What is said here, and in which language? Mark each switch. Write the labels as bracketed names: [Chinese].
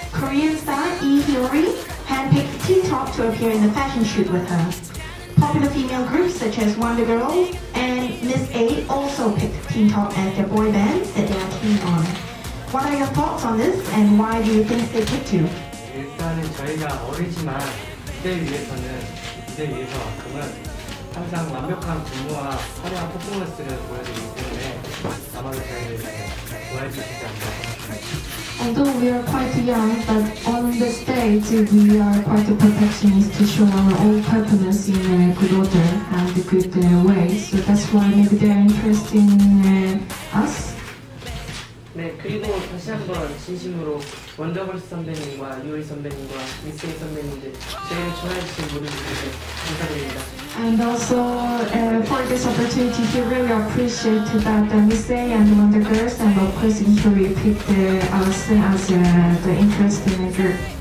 [English] Korean star Lee Hyori handpicked Teen Top to appear in the fashion shoot with her. Popular female groups such as Wonder Girls and Miss A also picked Teen Top as their boy band that they are keen on. What are your thoughts on this, and why do you think they picked you? [Korean] 일단은 저희가 어리지만 이대 위에서 왔으면 항상 완벽한 근무와 화려한 퍼포먼스를 보여드리기 때문에 아마도 저희를 좋아해 주시지 않을까. [English] Although we are quite young, but on the stage we are quite a perfectionist to show our own performance in a good order and a good way. So that's why maybe they are interested in us. [Korean] 네, 그리고 다시 한번 진심으로 원더걸스 선배님과 유리 선배님과 미스테이 선배님들 저희를 좋아해 주신 모든 분들 감사드립니다. [English] And also for this opportunity, we really appreciate that Miss A and the Wonder Girls and of course Hyori picked us as the interesting group.